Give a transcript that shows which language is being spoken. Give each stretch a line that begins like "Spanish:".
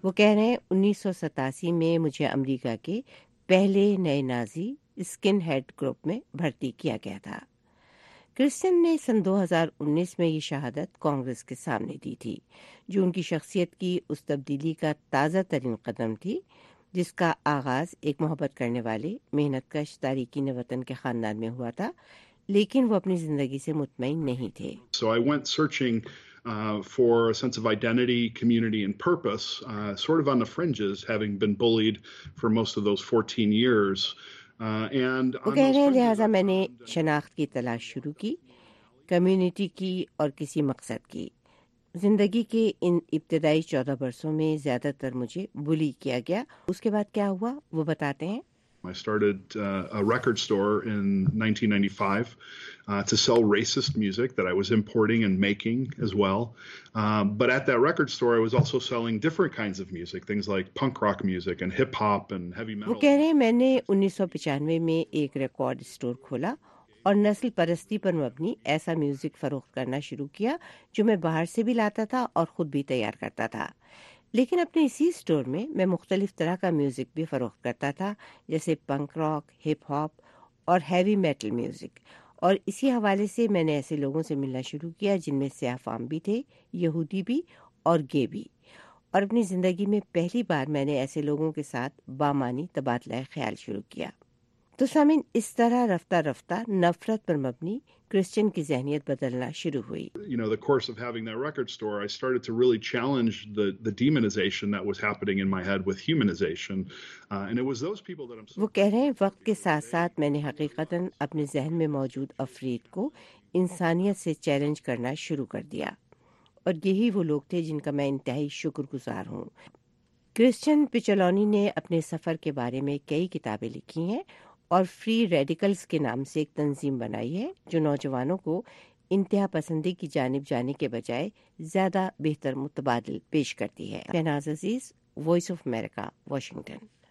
Urdu: وہ کہہ رہے ہیں 1987 میں مجھے امریکہ کے پہلے نئے نازی اسکن ہیڈ گروپ میں بھرتی کیا گیا تھا۔ کرسچن نے سن 2019 میں یہ شہادت کانگریس کے سامنے دی تھی، جو ان کی شخصیت کی اس تبدیلی کا تازہ ترین قدم تھی، جس کا آغاز ایک محبت کرنے والے محنت کش تاریکین وطن کے خاندان میں ہوا تھا، لیکن وہ اپنی زندگی سے مطمئن نہیں تھے۔
English: So I went searching for a sense of identity, community and purpose, sort of on the fringes, having been bullied for most of those 14 years.
Urdu: لہٰذا میں نے شناخت کی تلاش شروع کی، کمیونٹی کی اور کسی مقصد کی۔ زندگی کے ان ابتدائی 14 برسوں میں زیادہ تر مجھے بلی کیا گیا، اس کے بعد کیا ہوا وہ بتاتے ہیں۔
English: I started a record store in 1995 to sell racist music that I was importing and making as well. But at that record store I was also selling different kinds of music, things like punk rock music and hip hop and heavy metal.
Urdu: وہ کہہ رہے ہیں میں نے 1995 میں ایک record store کھولا اور نسل پرستی پر مبنی ایسا میوزک فروخت کرنا شروع کیا جو میں باہر سے بھی لاتا تھا اور خود بھی تیار کرتا تھا، لیکن اپنے اسی سٹور میں میں مختلف طرح کا میوزک بھی فروخت کرتا تھا، جیسے پنک راک، ہپ ہاپ اور ہیوی میٹل میوزک۔ اور اسی حوالے سے میں نے ایسے لوگوں سے ملنا شروع کیا جن میں سیاہ فام بھی تھے، یہودی بھی اور گے بھی، اور اپنی زندگی میں پہلی بار میں نے ایسے لوگوں کے ساتھ بامانی تبادلہ خیال شروع کیا۔ تو سامعین، اس طرح رفتہ رفتہ نفرت پر مبنی کرسچن کی ذہنیت بدلنا شروع ہوئی۔
English: You know, the course of having that record store, I started to really challenge the demonization that was happening in my head with humanization. And it was those people that I'm...
Urdu: وہ کہہ رہے ہیں وقت کے ساتھ ساتھ میں نے حقیقتاً اپنے ذہن میں موجود افراد کو انسانیت سے چیلنج کرنا شروع کر دیا، اور یہی وہ لوگ تھے جن کا میں انتہائی شکر گزار ہوں۔ کرسچن پچولونی نے اپنے سفر کے بارے میں کئی کتابیں لکھی ہیں اور فری ریڈیکلز کے نام سے ایک تنظیم بنائی ہے جو نوجوانوں کو انتہا پسندی کی جانب جانے کے بجائے زیادہ بہتر متبادل پیش کرتی ہے۔ شہناز عزیز، وائس آف امریکہ، واشنگٹن۔